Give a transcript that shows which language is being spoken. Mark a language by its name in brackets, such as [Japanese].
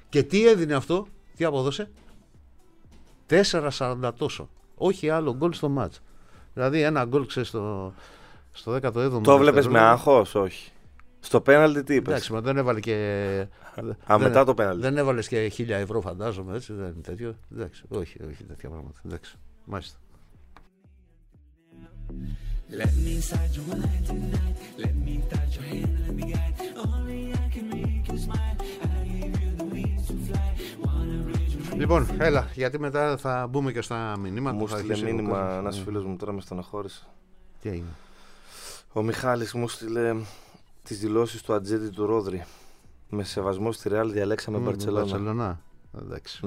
[Greek] Και τι έδινε αυτό, τι αποδώσε. 4-40 τόσο, όχι άλλο γκολ στο μάτς. Δηλαδή ένα γκολ, ξέρεις, στο 17ο. Το βλέπεις με άγχος, όχι. Στο πέναλτι τι είπες. Εντάξει, μα δεν έβαλε και... Α, μετά το πέναλτι. Δεν έβαλες και 1000 ευρώ φαντάζομαι, έτσι, δεν είναι τέτοιο. Εντάξει, όχι τέτοια πράγματα. Εντάξει, μάλιστα. [English] Let me inside your mind tonight. Let me touch your hand, let me guide. Only I can make you smile. I give you the wings to fly. Wanna reach your dreams. [Greek] Λοιπόν, έλα, γιατί μετά θα μπούμε και στα μηνύματα. Μου στείλε μήνυμα ένας φίλος μου, τώρα με στεναχώρησε. Τι έγινε. Ο Μιχάλης μου στείλε τις δηλώσεις του Ατζέντη του Ρόδρυ. Με σεβασμό στη Ρεάλ διαλέξαμε Μπαρτσελόνα. Εντάξει,